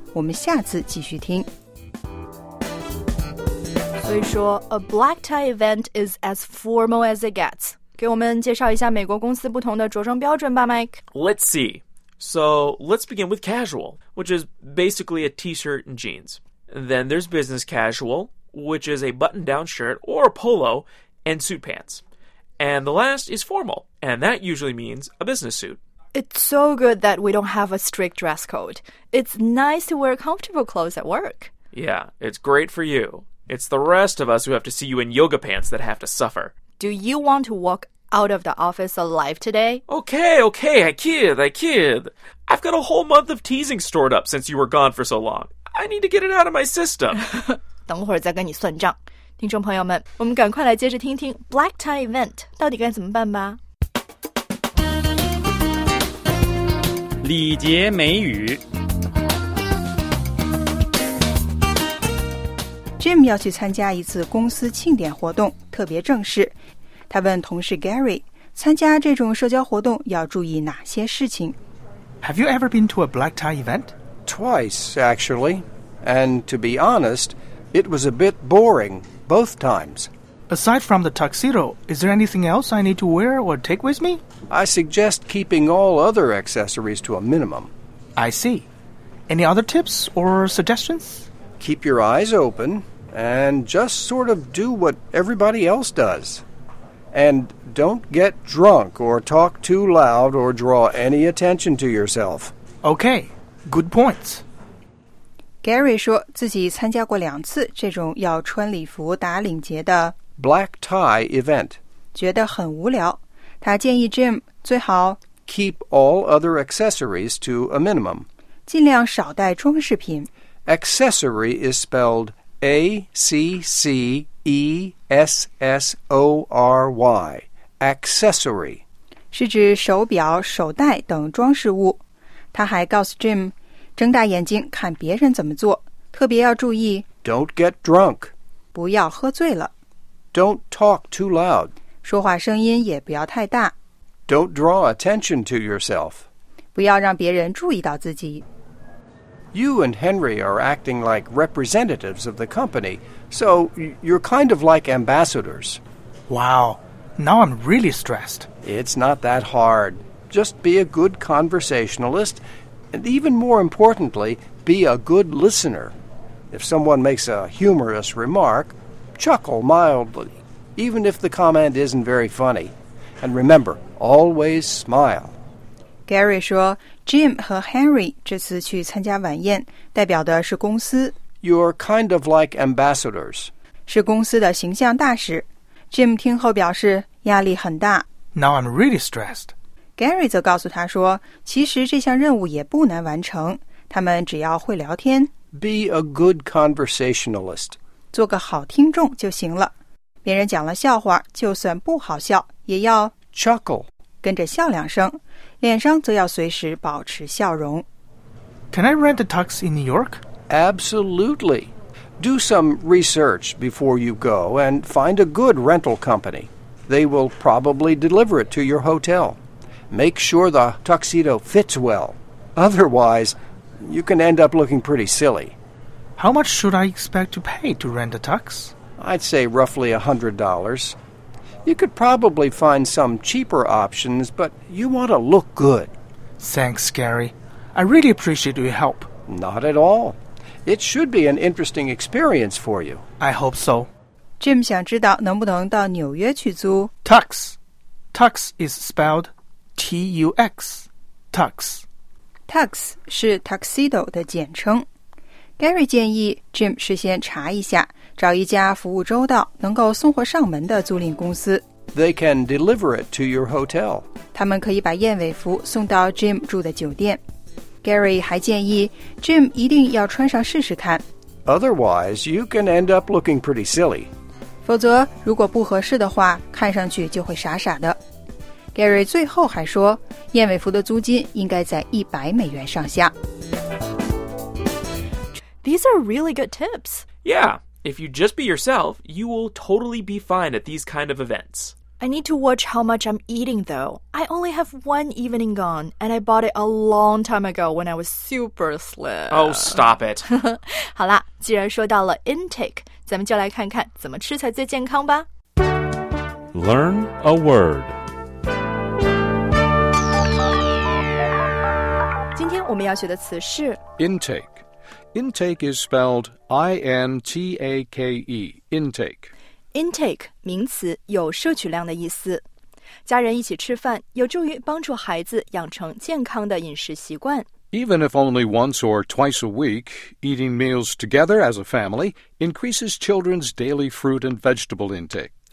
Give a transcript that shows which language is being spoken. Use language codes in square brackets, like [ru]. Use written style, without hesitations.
[zh] 我们下次继续听。所以说 [en] ，a black tie event is as formal as it gets。 [zh] 给我们介绍一下美国公司不同的着装标准吧 ，Mike。 [en] Let's see. So let's begin with casual, which is basically a t-shirt and jeans. Then there's business casual, which is a button-down shirt or a polo and suit pants. And the last is formal, and that usually means a business suit. It's so good that we don't have a strict dress code. It's nice to wear comfortable clothes at work. Yeah, it's great for you. It's the rest of us who have to see you in yoga pants that have to suffer. Do you want to walk out of the office alive today? Okay, I kid. I've got a whole month of teasing stored up since you were gone for so long. I need to get it out of my system. [zh] 等会儿再跟你算账。听众朋友们，我们赶快来接着听听 Black Tie Event 到底该怎么办吧。礼节美语。 Jim 要去参加一次公司庆典活动，特别正式。他问同事 Gary， 参加这种社交活动要注意哪些事情 [en] ？Have you ever been to a black tie event? Twice, actually. And to be honest, it was a bit boring. Both times. Aside from the tuxedo, is there anything else I need to wear or take with me? I suggest keeping all other accessories to a minimum. I see. Any other tips or suggestions? Keep your eyes open and just sort of do what everybody else does. And don't get drunk or talk too loud or draw any attention to yourself. Okay, good points. [zh] Gary 说自己参加过两次这种要穿礼服打领结的 [en] Black Tie Event， [zh] 觉得很无聊。他建议 Jim 最好 [en] Keep all other accessories to a minimum， [zh] 尽量少带装饰品。 [en] Accessory is spelled A-C-C-E-S-S-O-R-Y， Accessory [zh] 是指手表、手袋等装饰物。他还告诉 Jim。睁大眼睛看别人怎么做，特别要注意 [en] Don't get drunk， [zh] 不要喝醉了。 [en] Don't talk too loud， [zh] 说话声音也不要太大。 [en] Don't draw attention to yourself. [zh] 不要让别人注意到自己。 [en] You and Henry are acting like representatives of the company, so you're kind of like ambassadors. Wow, now I'm really stressed. It's not that hard. Just be a good conversationalist, and even more importantly, be a good listener. If someone makes a humorous remark, chuckle mildly, even if the comment isn't very funny. And remember, always smile. [zh] Gary 说 ,Jim 和 Henry 这次去参加晚宴代表的是公司。 [en] You're kind of like ambassadors. [zh] 是公司的形象大使。 Jim 听后表示压力很大。 [en] Now I'm really stressed. [zh] Gary 则告诉他说其实这项任务也不难完成他们只要会聊天。 [en] Be a good conversationalist. [zh] 做个好听众就行了。别人讲了笑话就算不好笑也要 [en] chuckle. [zh] 跟着笑两声。脸上则要随时保持笑容。 [en] Can I rent a tux in New York? Absolutely. Do some research before you go and find a good rental company. They will probably deliver it to your hotel. Make sure the tuxedo fits well. Otherwise, you can end up looking pretty silly. How much should I expect to pay to rent a tux? I'd say roughly $100. You could probably find some cheaper options, but you want to look good. Thanks, Gary. I really appreciate your help. Not at all. It should be an interesting experience for you. I hope so. [zh] Jim 想知道能不能到纽约去租 [en] Tux. Tux is spelled T-U-X. Tux. [zh] Tux 是 tuxedo 的简称。 Gary 建议 Jim 事先查一下找一家服务周到能够送货上门的租赁公司 [en] They can deliver it to your hotel [zh] 他们可以把燕尾服送到 Jim 住的酒店 Gary 还建议 Jim 一定要穿上试试看 [en] Otherwise you can end up looking pretty silly [zh] 否则如果不合适的话看上去就会傻傻的 Gary 最后还说燕尾服的租金应该在100美元上下 [en] These are really good tips. Yeah, if you just be yourself, you will totally be fine at these kind of events. I need to watch how much I'm eating, though. I only have one evening gone, and I bought it a long time ago when I was super slim. Oh, stop it. [zh] 好啦，既然说到了 intake, 咱们就来看看怎么吃才最健康吧。 [en] Learn a word. [zh] 今天我们要学的词是 [en] intake. Intake is spelled I-N-T-A-K-E, intake. [zh] Intake, 名词,有摄取量的意思。家人一起吃饭,有助于帮助孩子养成健康的饮食习惯。 [en] Even if only once or twice a week, eating meals together as a family increases children's daily fruit and vegetable intake.